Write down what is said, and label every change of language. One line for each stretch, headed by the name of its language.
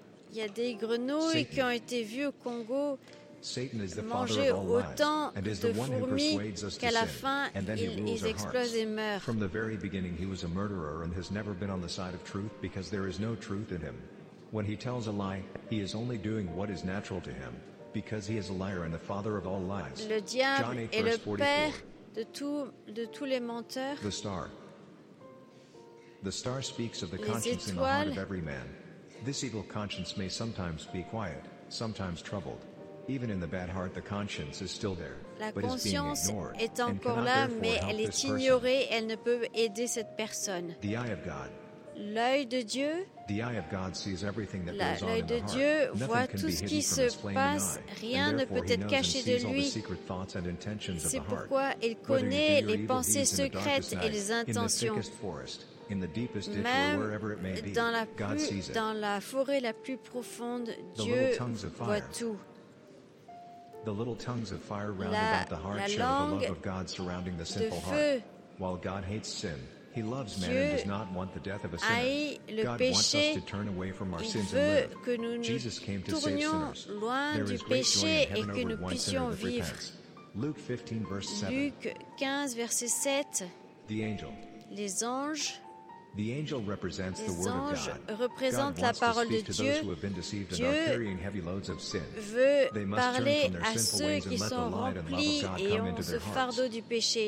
French: Il y a des grenouilles qui ont été vues au Congo manger autant de fourmis qu'à la fin ils explosent et meurent.
English: From the very beginning, he was a murderer and has never been on the side of truth because there is no truth in him. When he tells a lie, he is only doing what is natural to him because he is a liar and the father of all lies.
French: Le diable est le père de tous les menteurs.
English: The star. The star speaks of the conscience in the heart of every man. This evil conscience may sometimes be quiet. sometimes troubled. Even in the bad heart, the conscience is still there.
French: La conscience est encore là, mais elle est ignorée, elle ne peut aider cette personne.
English: The eye of God.
French: L'œil de Dieu.
English: The eye of God sees everything that goes on in the heart.
French: L'œil de Dieu voit tout ce qui se passe, rien ne peut être caché de lui. C'est pourquoi il connaît les pensées secrètes et les intentions.
English: In the deepest ditch or wherever it may be,
French: dans la plus, dans la forêt la plus profonde, Dieu voit tout.
English: The little tongues of fire round about the heart show the love of God surrounding the simple heart. While God hates sin, He loves man and does not want the death of a sinner. God wants us to turn away from our sins and live. Jesus came to save sinners. There is great joy in heaven over one sinner that repents. Luke 15 verse 7.
French: Luke 15 verset 7.
English: The angel.
French: Les anges.
English: The angel represents the word of God.
French: Représente la parole de Dieu. Dieu veut parler à ceux qui sont remplis et ont ce fardeau du péché.